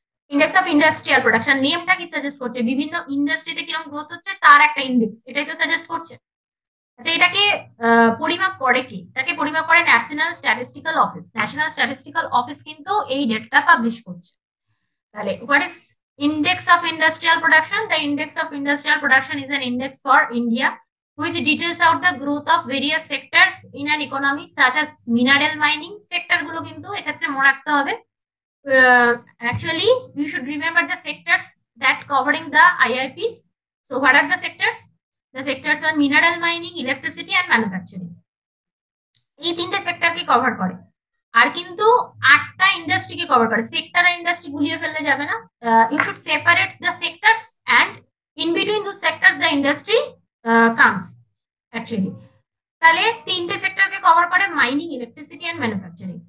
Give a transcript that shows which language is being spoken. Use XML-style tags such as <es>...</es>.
<bn>Index of industrial production নেমটা কি suggest করছে, বিভিন্ন ইন্ডাস্ট্রিতে কিরকম গ্রোথ হচ্ছে তার একটা ইন্ডেক্স, এটাই তো সাজেস্ট করছে। আচ্ছা, এটাকে পরিমাপ করে কি, তাকে পরিমাপ করে national statistical office. National statistical office কিন্তু এই ডেটাটা পাবলিশ করছে। তাহলে</bn> <en>What is index of industrial production? The index of industrial production is an index for India which details out the growth of various sectors in an economy such as mineral mining sector.</en> <bn>গুলো কিন্তু এক্ষেত্রে মনে রাখতে হবে।</bn> <en>Actually, you should remember the sectors that covering the IIPs. So, what are the sectors? The sectors are mineral mining, electricity and manufacturing.</en> <bn>এই তিনটে সেক্টরকে cover করে, আর কিন্তু 8টা ইন্ডাস্ট্রিকে কভার করে, সেক্টর আর ইন্ডাস্ট্রি গুলিয়ে ফেললে যাবে না।</bn> <en>You should separate the sectors and in between দু sectors the industry comes actually.</en> <bn>তাহলে তিনটে সেক্টরকে কভার করে, মাইনিং, ইলেকট্রিসিটি অ্যান্ড ম্যানুফ্যাকচারিং।</bn>